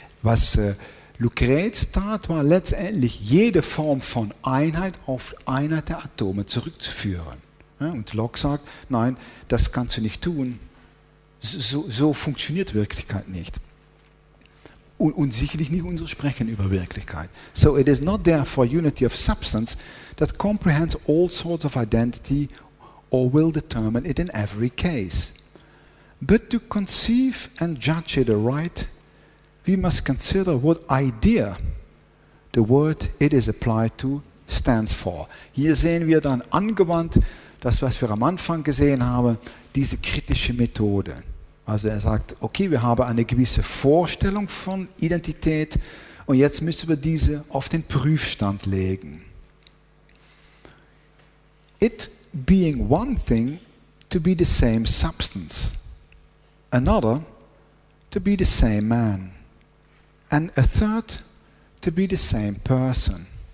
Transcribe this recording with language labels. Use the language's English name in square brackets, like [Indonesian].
[German] Was Lucrez tat, war letztendlich jede Form von Einheit auf Einheit der Atome zurückzuführen. Und Locke sagt, nein, das kannst du nicht tun. So funktioniert Wirklichkeit nicht. Und sicherlich nicht unser Sprechen über Wirklichkeit. [English] So it is not therefore unity of substance that comprehends all sorts of identity or will determine it in every case. But to conceive and judge it aright, we must consider what idea the word it is applied to stands for. [German] Hier sehen wir dann angewandt das, was wir am Anfang gesehen haben, diese kritische Methode. Also er sagt, okay, wir haben eine gewisse Vorstellung von Identität und jetzt müssen wir diese auf den Prüfstand legen. [English] It being one thing to be the same substance, another to be the same man, and a third to be the same person.